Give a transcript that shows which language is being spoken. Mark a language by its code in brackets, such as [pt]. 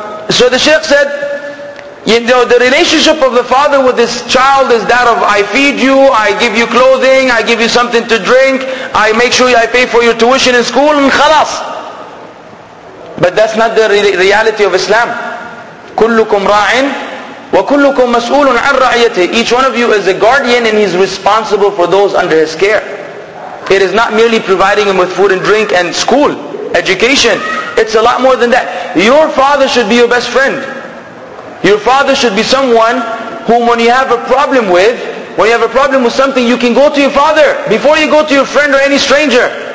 [en] So the Shaykh said, you know, the relationship of the father with his child is that of, I feed you, I give you clothing, I give you something to drink, I make sure I pay for your tuition in school, and khalas. But that's not the reality of Islam. [ar] كلكم راعٍ وكلكم مسؤول عن رعيته. [en] Each one of you is a guardian, and he's responsible for those under his care. It is not merely providing him with food and drink and school, education. It's a lot more than that. Your father should be your best friend. Your father should be someone whom when you have a problem with, when you have a problem with something, you can go to your father before you go to your friend or any stranger.